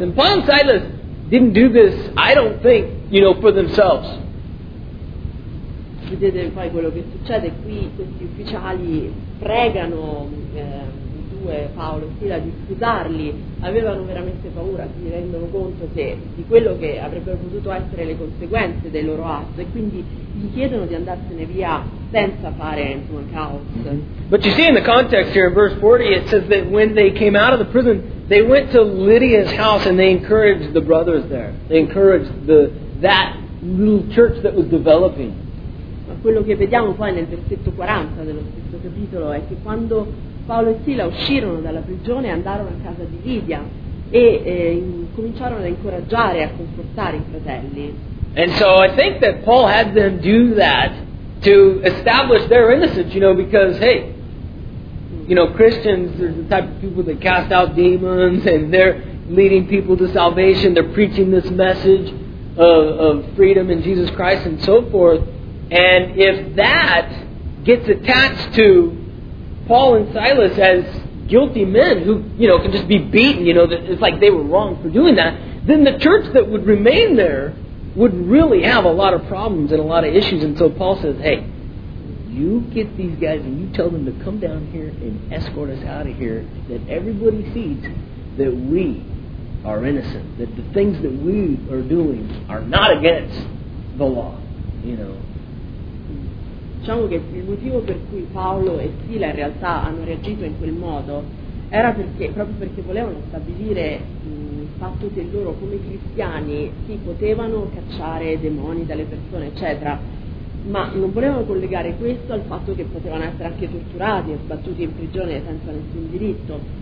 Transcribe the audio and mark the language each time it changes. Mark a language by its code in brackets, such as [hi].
[en] And Paul and Silas didn't do this, I don't think, for themselves. [it] Vedete poi quello che succede qui, questi ufficiali pregano Paolo e Sila di scusarli, avevano veramente paura, si rendono conto che di quello che avrebbero potuto essere le conseguenze del loro atto e quindi gli chiedono di andarsene via senza fare insomma caos. [en] But you see in the context here in verse 40 it says that when they came out of the prison they went to Lydia's house and they encouraged the brothers there. They encouraged that little church that was developing. [it] Ma quello che vediamo poi nel versetto 40 dello stesso capitolo è che quando Paolo e Sila uscirono dalla prigione e andarono a casa di Lydia e cominciarono ad incoraggiare e a confortare i fratelli. [en] And so I think that Paul had them do that to establish their innocence, you know, because hey, you know, Christians are the type of people that cast out demons and they're leading people to salvation, they're preaching this message of freedom in Jesus Christ and so forth. And if that gets attached to Paul and Silas as guilty men who, you know, can just be beaten, you know, it's like they were wrong for doing that, then the church that would remain there would really have a lot of problems and a lot of issues. And so Paul says, hey, you get these guys and you tell them to come down here and escort us out of here, that everybody sees that we are innocent, that the things that we are doing are not against the law, you know. [it] Diciamo che il motivo per cui Paolo e Sila in realtà hanno reagito in quel modo era perché, proprio perché volevano stabilire il fatto che loro come cristiani sì, potevano cacciare demoni dalle persone, eccetera, ma non volevano collegare questo al fatto che potevano essere anche torturati e sbattuti in prigione senza nessun diritto.